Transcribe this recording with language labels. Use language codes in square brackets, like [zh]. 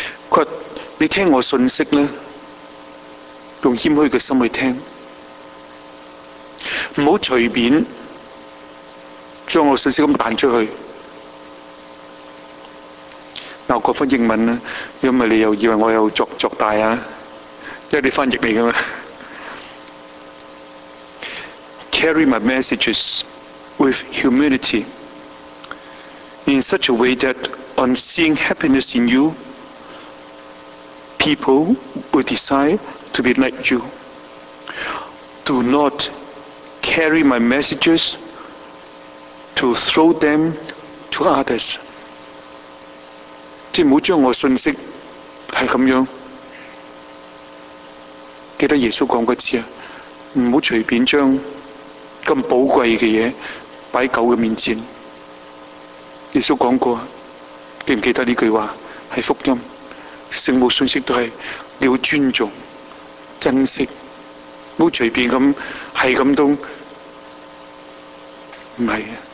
[yue] 佢话你听我信息呢，用谦虚嘅心去听，唔好随便将我信息咁弹出去。嗱，我讲翻英文啦，因为你又以为我又作大啊。即是你翻译嚟噶嘛 [en] ？Carry my messages with humility in such a way that on seeing happiness in you, people will desire to be like you. Do not carry my messages to throw them to others. [yue] 即唔好将我信息系咁样。记得耶稣讲过一次啊，唔好随便将咁宝贵嘅嘢摆狗嘅面前。耶稣讲过，记唔记得呢句话？系福音，圣母信息都系要尊重、珍惜，唔好随便咁系咁都唔系啊！